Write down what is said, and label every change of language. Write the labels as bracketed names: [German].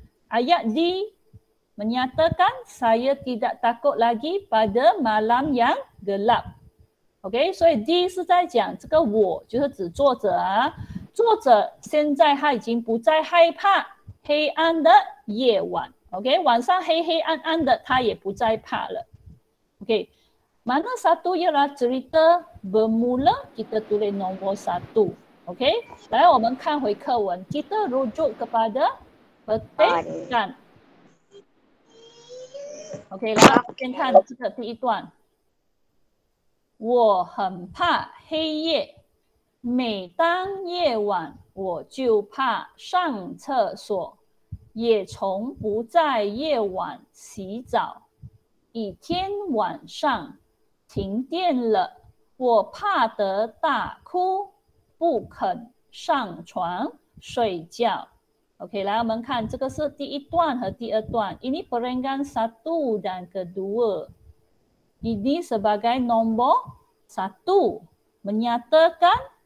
[Malay] Ayat D menyatakan saya tidak takut lagi pada malam yang gelap. [Chinese] OK, 所以 D 是在讲这个我就是指作者啊。作者现在他已经不再害怕黑暗的夜晚 ，OK， 晚上黑黑暗暗的，他也不再怕了 ，OK。 [Malay] Mana satu ialah cerita bermula kita tulis nombor satu, OK。 [Chinese] 来，我们看回课文 ， [Malay] kita rujuk kepada petikan, [Chinese] OK。来，先看这个第一段，我很怕黑夜。每当夜晚，我就怕上厕所，也从不在夜晚洗澡。一天晚上停电了，我怕得大哭，不肯上床睡觉。 OK， 来，我们看这个是第一段和第二段。 [Malay] Ini peringkat satu dan kedua. Ini sebagai nombor satu menyatakan.